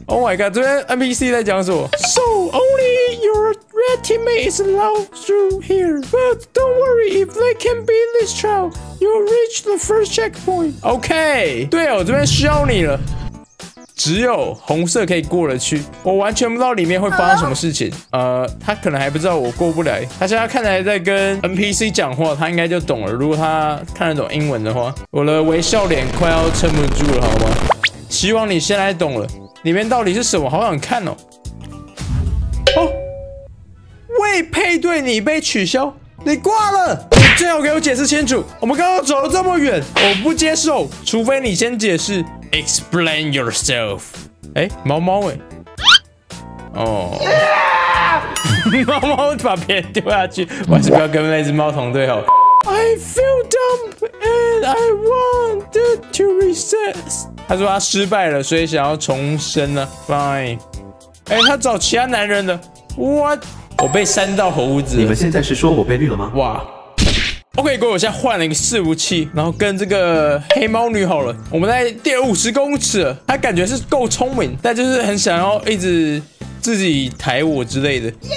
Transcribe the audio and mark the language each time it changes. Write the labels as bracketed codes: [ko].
[en] Oh my god， [zh] 这边 NPC 在讲什么？ [en] So only your red teammate is allowed through here. But don't worry, if they can beat this trial, you'll reach the first checkpoint. [zh] OK， 队友，这边需要你了，只有红色可以过得去，我完全不知道里面会发生什么事情。他可能还不知道我过不来，他现在看来在跟 NPC 讲话，他应该就懂了。如果他看得懂英文的话，我的微笑脸快要撑不住了，好吗？希望你现在懂了，里面到底是什么，好想看哦。哦，未配对，你被取消，你挂了。你最好给我解释清楚，我们刚刚走了这么远，我不接受，除非你先解释。 [en] Explain yourself. [zh] 欸，猫猫欸。 [en] Oh. [zh] 猫猫把别人丢下去，我还是不要跟那只猫同队好。 [en] I feel dumb and I wanted to resist. [zh] 他说他失败了，所以想要重生呢。 [en] Fine. [zh] 欸，他找其他男人了。 [en] What? [zh] 我被删到猴子了。你们现在是说我被绿了吗？哇。 OK， 各位，我现在换了一个伺服器，然后跟这个黑猫女好了。我们在第50公尺了，她感觉是够聪明，但就是很想要一直自己抬我之类的。